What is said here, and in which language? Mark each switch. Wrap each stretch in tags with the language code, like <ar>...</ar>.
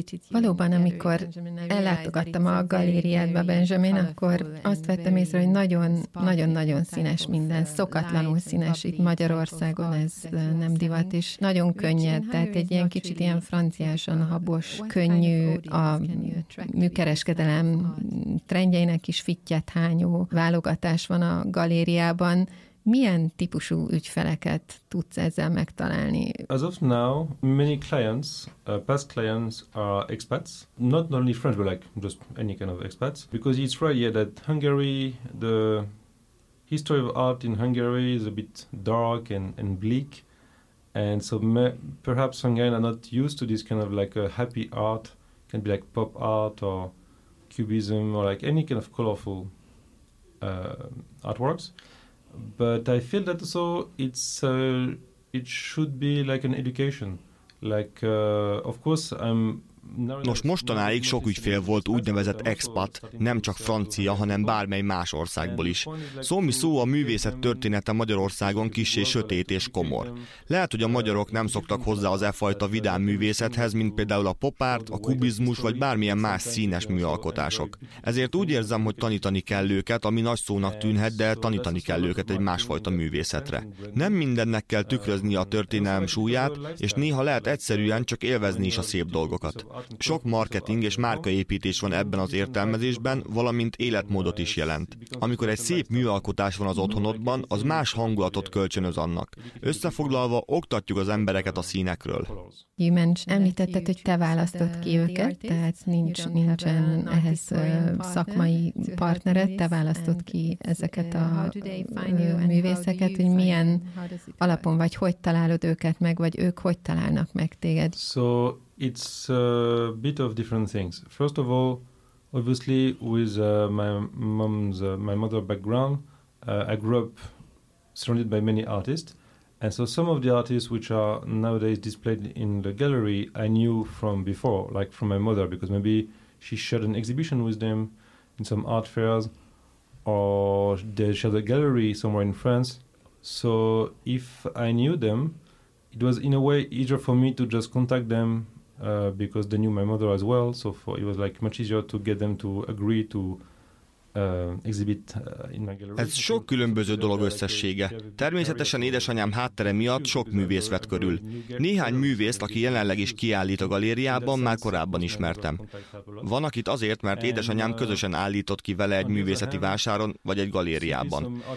<hu>Valóban, amikor ellátogattam a galériádba, Benjamin, akkor azt vettem észre, hogy nagyon-nagyon színes minden, szokatlanul színes itt Magyarországon, ez nem divat, és nagyon könnyed, tehát egy ilyen kicsit ilyen franciásan habos, könnyű, a műkereskedelem trendjeinek is fittyet hányó válogatás van a galériában. Milyen típusú ügyfeleket tudsz ezzel megtalálni?</hu> <en>As of now, many clients, past clients are expats, not only French, but like just any kind of expats, because it's right here that Hungary, the history of art in Hungary is a bit dark and bleak, and so perhaps Hungarians are not used to this kind of like a happy art, can be like pop art or cubism or like any kind of colorful artworks. But I feel that also it should be like an education. Like, of course, I'm...</en> <hu>Mostanáig sok ügyfél volt úgynevezett expat, nem csak francia, hanem bármely más országból is. Szómi szó, a művészet története Magyarországon kissé sötét és komor. Lehet, hogy a magyarok nem szoktak hozzá az e fajta vidám művészethez, mint például a popárt, a kubizmus vagy bármilyen más színes műalkotások. Ezért úgy érzem, hogy tanítani kell őket, ami nagy szónak tűnhet, de tanítani kell őket egy másfajta művészetre. Nem mindennek kell tükrözni a történelem súlyát, és néha lehet egyszerűen csak élvezni is a szép dolgokat. Sok marketing és márkaépítés van ebben az értelmezésben, valamint életmódot is jelent. Amikor egy szép műalkotás van az otthonodban, az más hangulatot kölcsönöz annak. Összefoglalva, oktatjuk az embereket a színekről. Említetted, hogy te választod ki őket, tehát nincsen ehhez szakmai partneret, te választod ki ezeket a művészeket, hogy milyen alapon vagy, hogy találod őket meg, vagy ők hogy találnak meg téged.</hu> <en>It's a bit of different things. First of all, Obviously, with my mother's background, I grew up surrounded by many artists. And so some of the artists which are nowadays displayed in the gallery, I knew from before, like from my mother, because maybe she shared an exhibition with them in some art fairs, or they shared a gallery somewhere in France. So if I knew them, it was in a way easier for me to just contact them because they knew my mother as well. So it was like much easier to get them to agree to exhibit in my gallery.</en> <hu>Ez sok különböző dolog összessége. Természetesen édesanyám háttere miatt sok művész vett körül. Néhány művészt, aki jelenleg is kiállít a galériában, már korábban ismertem. Van, akit azért, mert édesanyám közösen állított ki vele egy művészeti vásáron vagy egy galériában.</hu>